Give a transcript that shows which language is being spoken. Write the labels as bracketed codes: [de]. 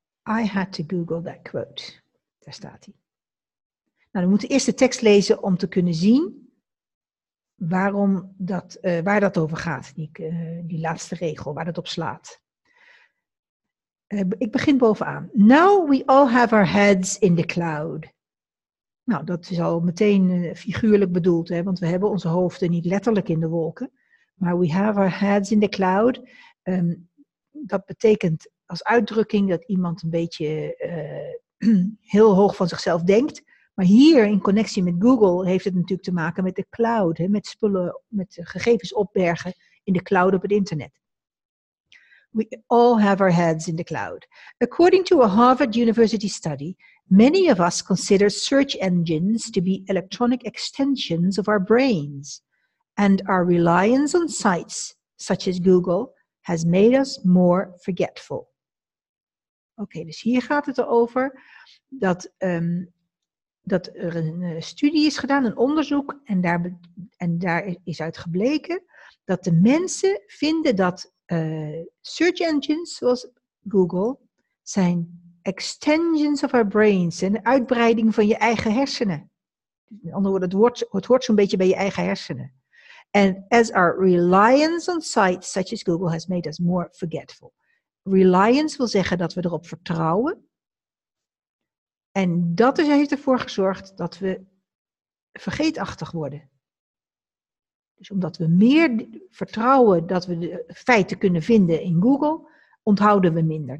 [en] I had to Google that quote. [nl] Daar staat hij. Nou, we moeten eerst de tekst lezen om te kunnen zien waar dat over gaat. Die laatste regel, waar dat op slaat. Ik begin bovenaan. [en] Now we all have our heads in the cloud. [nl] Nou, dat is al meteen figuurlijk bedoeld, hè, want we hebben onze hoofden niet letterlijk in de wolken. [en] Maar we have our heads in the cloud. [nl] Dat betekent als uitdrukking dat iemand een beetje heel hoog van zichzelf denkt. Maar hier in connectie met Google heeft het natuurlijk te maken met de cloud, hè, met spullen, met gegevens opbergen in de cloud op het internet. [en] We all have our heads in the cloud. According to a Harvard University study, many of us consider search engines to be electronic extensions of our brains. And our reliance on sites such as Google has made us more forgetful. [nl] Okay, dus hier gaat het erover dat er een studie is gedaan, een onderzoek, en daar is uit gebleken dat de mensen vinden dat search engines zoals Google zijn [en] extensions of our brains, [nl] een uitbreiding van je eigen hersenen. In andere woorden, het hoort zo'n beetje bij je eigen hersenen. [en] And as our reliance on sites such as Google has made us more forgetful. [nl] Reliance wil zeggen dat we erop vertrouwen. En dat heeft ervoor gezorgd dat we vergeetachtig worden. Dus omdat we meer vertrouwen dat we de feiten kunnen vinden in Google, onthouden we minder.